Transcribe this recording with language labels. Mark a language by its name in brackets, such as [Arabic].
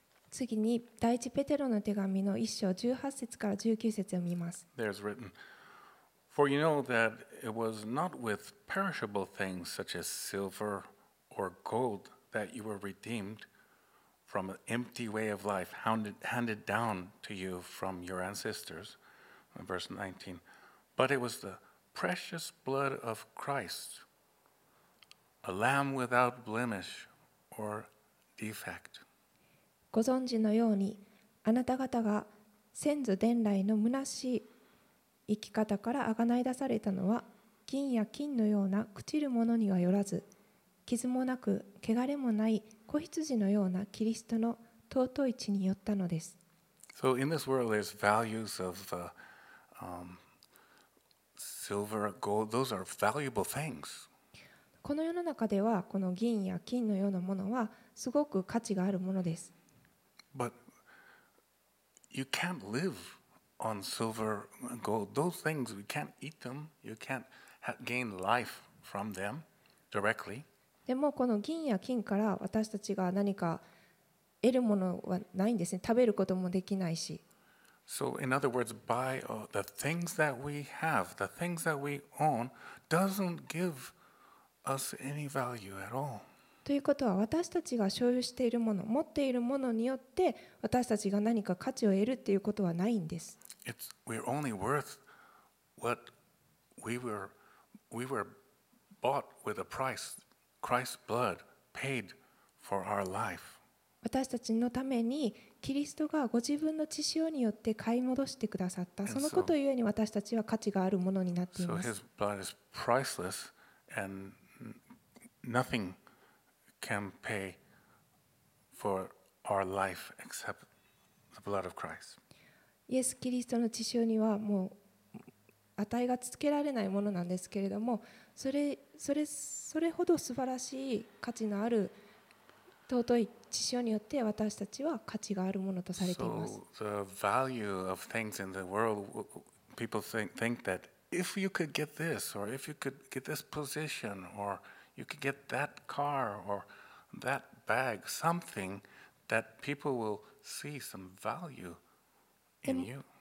[Japanese] 次に第一ペテロの手紙の1章18節から19節を見ます。 [English] There's written, for you know that it was not with perishable things such as silver or gold that you were redeemed from an empty way of life handed down to you from your ancestors, verse 19, but it was the precious blood of Christ, A lamb without blemish or defect. [Japanese] ご存知のようにあなた方が先祖伝来の虚しい生き方から贖い出されたのは金や金のような朽ちるものにはよらず傷もなく汚れもない子羊のようなキリストの尊い血によったのです。 [English] So in this world there's values of silver, gold, those are valuable things. [Japanese] この世の中ではこの銀や金のようなものはすごく価値があるものです。 [English] But you can't live on silver, gold. Those things, you can't eat them. You can't gain life from them directly. [Japanese] でもこの銀や金から私たちが何か得るものはないんですね。食べることもできないし。 [English] So in other words, by the things that we have, the things that we own, doesn't give us any value at all. [Japanese] ということは私たちが所有しているもの、持っているものによって私たちが何か価値を得るっていうことはないんです。 [English] We're only worth what we were bought with a price. Christ's blood paid for our life. [Japanese] 私たちのためにキリストがご自分の血潮によって買い戻してくださった。そのことゆえに私たちは価値があるものになっています。 [English] So his blood is priceless and nothing can pay for our life except the blood of Christ. [Japanese] イエス・キリストの血潮にはもう値がつけられないものなんですけれども、それほど素晴らしい価値のある尊い血潮によって私たちは価値があるものとされています。 [English] So the value of things in the world, people think that if you could get this, or if you could get this position, or you could get that car, or that bag, something that people will see some value in you.